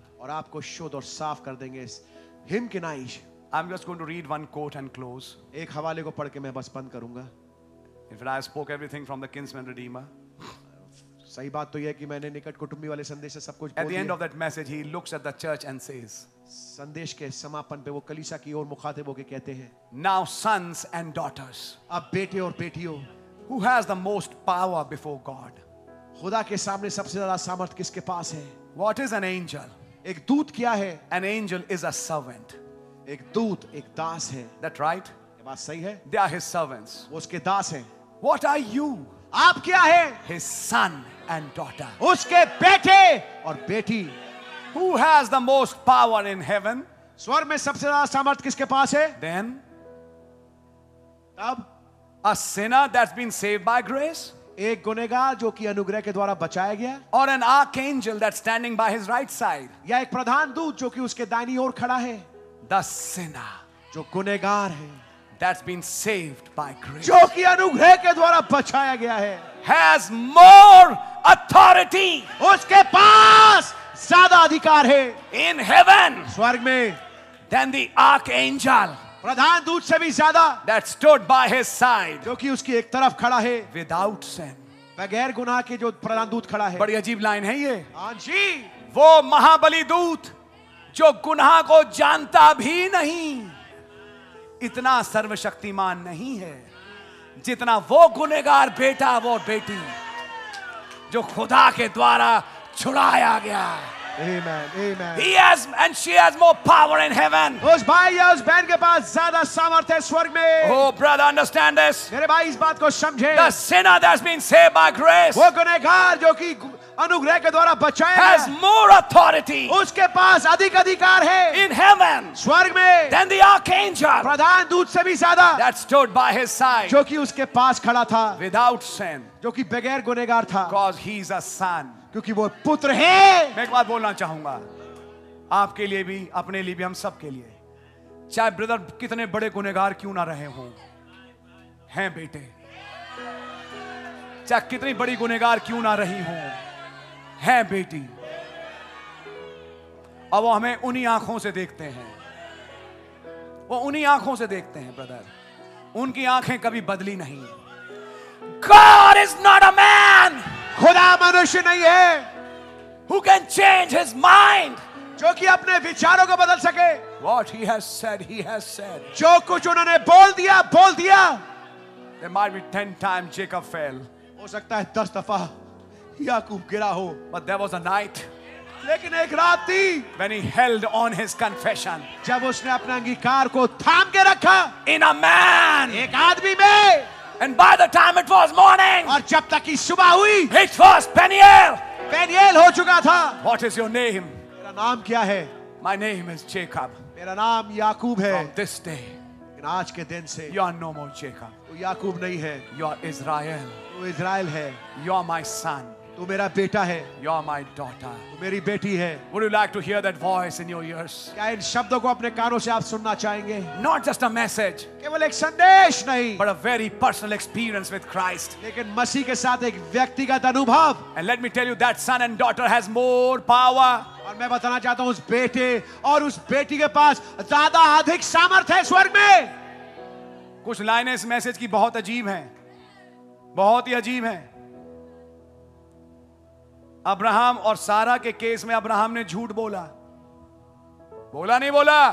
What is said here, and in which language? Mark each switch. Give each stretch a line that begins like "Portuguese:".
Hindi: और आपको शुद्ध और साफ कर देंगे इस हिम के nice.
English: I'm just going to read one quote and close.
Hindi: एक हवाले को पढ़ के मैं बस बंद करूंगा.
English: In fact, I spoke everything from the Kinsman Redeemer.
Hindi: सही बात तो यह कि मैंने निकट कुटुंबी वाले संदेश से सब कुछ.
English: At the end of that message, he looks at the church and says.
Hindi: संदेश के समापन पे वो कलीसिया की ओर मुखातिब होके कहते हैं.
English: Now sons and daughters.
Hindi: अब बेटे और बेटियों.
English: Who has the most power before God?
Hindi: खुदा के सामने सबसे ज्यादा सामर्थ किसके पास है?
English: What is an angel?
Hindi: एक दूत क्या है?
English: An angel is a servant.
Hindi: एक दूत एक दास है.
English: That right?
Hindi: ये बात सही है.
English: They are his servants.
Hindi: वो उसके दास हैं.
English: What are you?
Hindi: आप क्या है?
English: His son and daughter.
Hindi: उसके बेटे और बेटी.
English: Who has the most power in heaven?
Hindi: स्वर्ग में सबसे ज्यादा सामर्थ किसके पास है?
English: Then,
Hindi: तब,
English: a sinner that's been saved by grace.
Hindi: एक गुनेगार जो कि अनुग्रह के द्वारा बचाया गया.
English: Or an archangel that's standing by his right side.
Hindi: या एक प्रधान दूत जो कि उसके दाहिनी ओर खड़ा है.
English: The sinner.
Hindi: जो गुनेगार है.
English: That's been saved by grace.
Hindi: जो कि अनुग्रह के द्वारा बचाया गया है.
English: Has more authority.
Hindi: उसके पास ज्यादा अधिकार है.
English: In heaven.
Hindi: स्वर्ग में.
English: Than the archangel.
Hindi: प्रधान दूत से भी ज्यादा.
English: That stood by his side.
Hindi: जो कि उसकी एक तरफ खड़ा है.
English: Without sin.
Hindi: बगैर गुनाह के जो प्रधान दूत खड़ा है. बड़ी अजीब लाइन है ये. हाँ जी. वो महाबली दूत जो गुनाह को जानता भी नहीं. इतना सर्वशक्तिमान नहीं है जितना वो गुनेगार बेटा वो बेटी जो खुदा के द्वारा छुड़ाया गया.
English: Amen. He has and she has more power in heaven.
Hindi: उस भाई या उस बहन के पास ज़्यादा सामर्थ्य है स्वर्ग में.
English: Oh brother, understand this.
Hindi: मेरे भाई इस बात को समझे.
English: The sinner that's been saved by grace.
Hindi: वो गुनेगार जो कि अनुग्रह के द्वारा बचाया.
English: Has more authority.
Hindi: उसके पास अधिक अधिकार है.
English: In heaven.
Hindi: स्वर्ग में.
English: Than the archangel.
Hindi: प्रधान दूत से भी ज़्यादा.
English: That stood by his side.
Hindi: जो कि उसके पास खड़ा था.
English: Without sin.
Hindi: जो कि बगैर गुनेगार था.
English: Because he's a son.
Hindi: क्योंकि वो पुत्र है. मैं एक बात बोलना चाहूंगा आपके लिए भी अपने लिए भी हम सब के लिए. चाहे ब्रदर कितने बड़े गुनेगार क्यों ना रहे हों. हैं बेटे. चाहे कितनी बड़ी गुनेगार क्यों ना रही हों. हैं बेटी. अब वो हमें उन्हीं आंखों से देखते हैं. वो उन्हीं आंखों से देखते हैं ब्रदर. उनकी आंखें कभी बदली नहीं.
English: God is not a man.
Hindi: खुदा मनुष्य नहीं है.
English: Who can change his mind?
Hindi: जो कि अपने विचारों को बदल सके.
English: What he has said.
Hindi: जो कुछ उन्होंने बोल दिया, बोल दिया.
English: There might be 10 times Jacob fell.
Hindi: हो सकता है 10 दफा याकूब गिरा हो.
English: But there was a night.
Hindi: लेकिन एक रात थी.
English: When he held on his confession.
Hindi: जब उसने अपने अंगीकार को थाम के रखा.
English: In a man.
Hindi: एक आदमी में.
English: And by the time it was morning,
Hindi: और जब तक की सुबह हुई,
English: it was Peniel.
Hindi: Peniel हो चुका था.
English: What is your name?
Hindi: मेरा नाम क्या है?
English: My name is Jacob.
Hindi: मेरा नाम याकूब है.
English: From this day,
Hindi: इन आज के दिन से,
English: you are no more Jacob.
Hindi: तू याकूब नहीं है.
English: You are Israel.
Hindi: तू इज़राइल है.
English: You are my son.
Hindi: तू मेरा बेटा है.
English: You are my daughter.
Hindi: तू मेरी बेटी है.
English: Would you like to hear that voice in your ears?
Hindi: क्या इन शब्दों को अपने कानों से आप सुनना चाहेंगे?
English: Not just a message.
Hindi: केवल एक संदेश नहीं.
English: But a very personal experience with Christ.
Hindi: लेकिन मसीह के साथ एक व्यक्तिगत अनुभव.
English: And let me tell you that son and daughter has more power.
Hindi: और मैं बताना चाहता हूँ उस बेटे और उस बेटी के पास ज्यादा अधिक सामर्थ्य है स्वर्ग में. कुछ लाइनें इस मैसेज की बहुत अजीब हैं. बहुत ही अजीब हैं. अब्राहम और सारा के केस में अब्राहम ने झूठ बोला, बोला नहीं बोला,